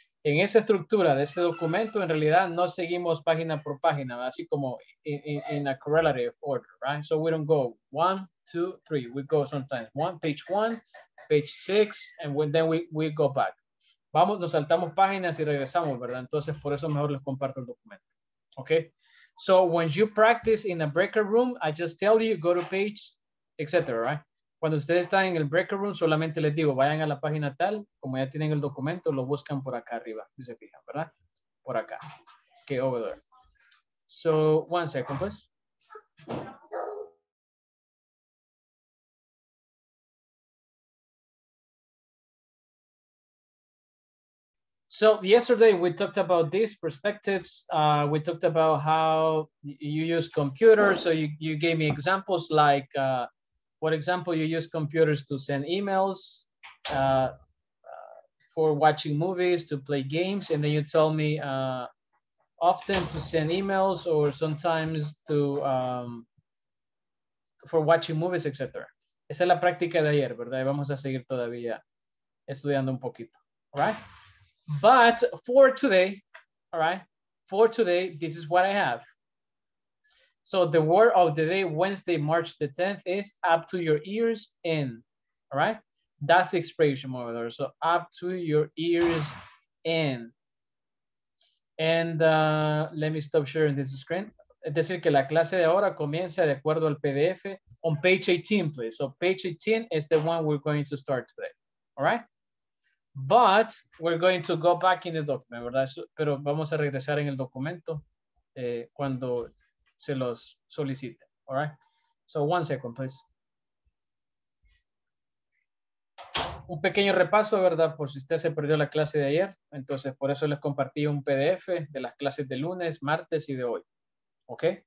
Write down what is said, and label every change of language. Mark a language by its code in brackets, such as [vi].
[es] En esa estructura de este documento, en realidad, no seguimos página por página, así como [en] in a correlative order, right? So we don't go 1, 2, 3. We go sometimes one, page 1, page 6, and then we go back. [es] Vamos, nos saltamos páginas y regresamos, ¿verdad? Entonces, por eso mejor les comparto el documento, okay? [en] So when you practice in a breakout room, I just tell you, go to page, etc., right? [es] Cuando ustedes están en el breakout room, solamente les digo, vayan a la página tal, como ya tienen el documento, lo buscan por acá arriba, si se fijan, ¿verdad? Por acá. [en] Okay, over there. So, one second, pues. So, yesterday we talked about these perspectives. We talked about how you use computers. So, you gave me examples like... For example, you use computers to send emails, for watching movies, to play games, and then you tell me often to send emails or sometimes to for watching movies, etc. [es] Esa es la práctica de ayer, ¿verdad? Y vamos a seguir todavía estudiando un poquito, [en] all right? But for today, all right? For today, this is what I have. So the word of the day, Wednesday, March the 10th, is up to your ears in, all right? That's the expression over there. So up to your ears in. And let me stop sharing this screen. [es] Es decir, que la clase de ahora comienza de acuerdo al PDF [en] on page 18, please. So page 18 is the one we're going to start today, all right? But we're going to go back in the document, ¿verdad? [es] Pero vamos a regresar en el documento cuando... se los solicite, [en] all right? So one second, please. [es] Un pequeño repaso, ¿verdad? Por si usted se perdió la clase de ayer, entonces por eso les compartí un PDF de las clases de lunes, martes y de hoy, ¿ok?